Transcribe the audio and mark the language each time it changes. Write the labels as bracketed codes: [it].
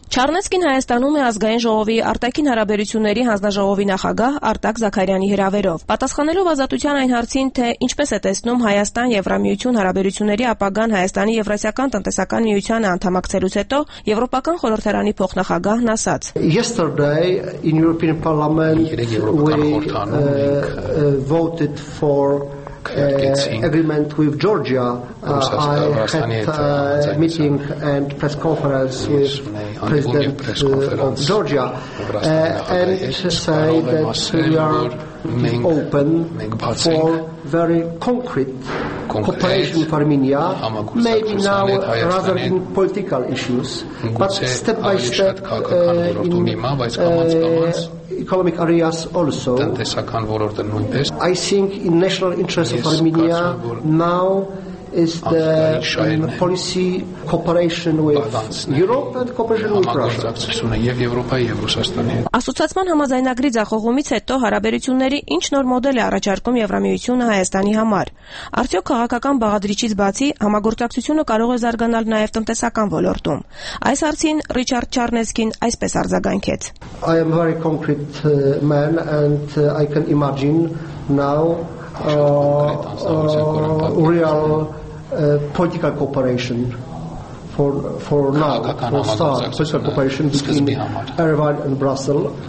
[hy] Չարնեցկին Հայաստանում է ազգային ժողովի արտաքին հարաբերությունների հանձնաժողովի նախագահ Արտակ Զաքարյանի հրավերով։ Պատասխանելով ազատության այն հարցին, թե ինչպես է տեսնում Հայաստան-Եվրամիություն հարաբերությունների ապագան Հայաստանի-Եվրասիական տնտեսական միության անդամակցելուց հետո, Եվրոպական խորհրդարանի փոխնախագահն ասաց. [en] Yesterday in European Parliament we voted for agreement with Georgia. I had meeting and press conference with President of Georgia and say that we are open for very concrete cooperation with Armenia, maybe now rather in political issues, but step by step in economic areas also. I think in national interest of Armenia now is the policy cooperation with Europe and cooperation with Russia. [hy] Ասոցիացիան համաձայնագրի ձախողումից հետո հարաբերությունների ինչ նոր մոդել է առաջարկում Եվրամիությունը Հայաստանի համար։ Արդյոք քաղաքական բաղադրիչից բացի համագործակցությունը կարող է զարգանալ նաև տնտեսական ոլորտում։ Այս հարցին Ռիչարդ Չարնեցկին այսպես արձագանքեց. [en] I am a very concrete man and I can imagine now real political cooperation for now, for start political cooperation between Erevan and Brussels.